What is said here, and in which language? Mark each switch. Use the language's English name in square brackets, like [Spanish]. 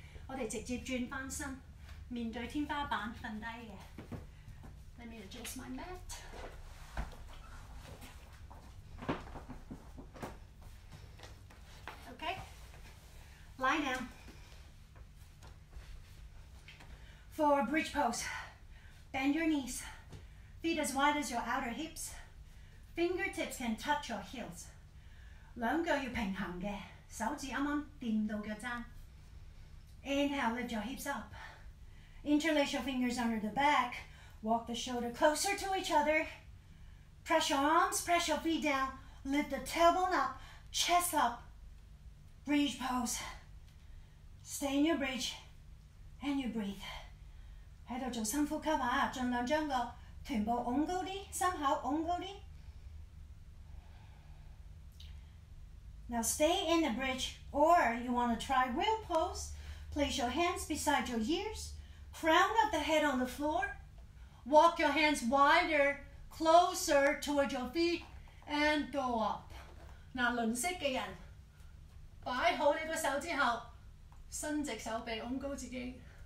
[Cantonese] 我哋直接转翻身。面對天花板瞓低嘅 ， [English] Let me adjust my mat. Okay, lie down for bridge pose. Bend your knees, feet as wide as your outer hips. Fingertips can touch your heels. [Cantonese] 兩腳要平衡嘅，手指啱啱掂到腳踭。 [English] Inhale, lift your hips up. Interlace your fingers under the back. Walk the shoulder closer to each other. Press your arms, press your feet down. Lift the tailbone up, chest up. Bridge pose. Stay in your bridge and you breathe. [Cantonese] 喺度做深呼吸啊，盡量將個臀部拱高啲，心口拱高啲。 [English] Now stay in the bridge, or you want to try wheel pose. Place your hands beside your ears, crown of the head on the floor. Walk your hands wider, closer towards your feet, and go up. [Cantonese] 嗱，輪式嘅人擺好你個手之後，伸直手臂，拱高自己。